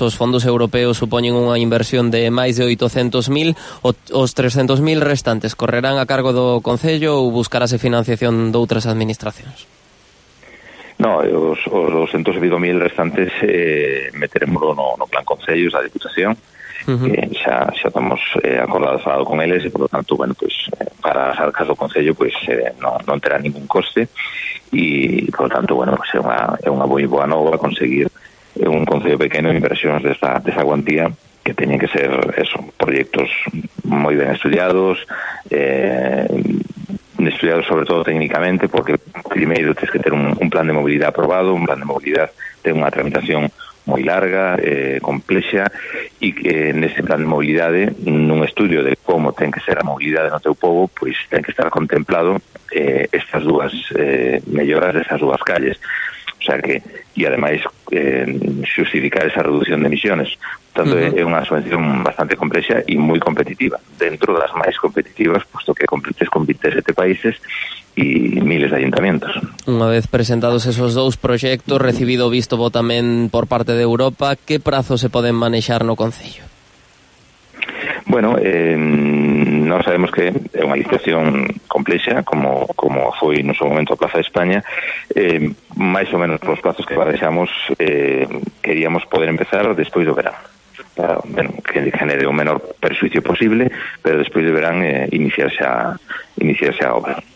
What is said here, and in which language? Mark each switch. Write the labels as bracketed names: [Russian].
[Spanish] Los fondos europeos suponen una inversión de más de 800.000. ¿Los 300.000 restantes correrán a cargo del concello o buscarase financiación de otras administraciones? No, los 200.000 restantes meteremos [Galician] no plan concello, [Spanish] la diputación. Uh-huh. [Galician] Xa estamos acordados con eles e, [Spanish] por lo tanto, [Galician] bueno, pues, para as arcas do concello pues, non terá ningún coste e, por lo tanto, bueno, pues, é unha moi boa nova conseguir un concello pequeno, inversións desta cuantía, que teñen que ser eso, proyectos moi ben estudiados, estudiados sobre todo técnicamente, porque primeiro tens que ter un plan de movilidade aprobado, un plan de movilidade ten unha tramitación moi larga, complexa, e que nese plan de movilidade, nun estudio de como ten que ser a movilidade no teu povo, pois ten que estar contemplado estas dúas melloras destas dúas calles. [Spanish] O sea que, y además justificar esa reducción de emisiones. Tanto es una subvención bastante compleja y muy competitiva, dentro de las más competitivas, puesto que compites con 27 países y miles de ayuntamientos. Una vez presentados esos dos proyectos, [Galician] recibido visto bo tamén [Spanish] por parte de Europa, ¿qué prazo se pueden manejar [Galician] no concello? Bueno, [Spanish] no sabemos que [Galician] é unha licitación complexa, como foi no seu momento a Plaza de España. Máis ou menos polos plazos que baixamos, queríamos poder empezar despois do verán. Bueno, que genere o menor perxuicio posible, pero despois do verán iniciarse a obra.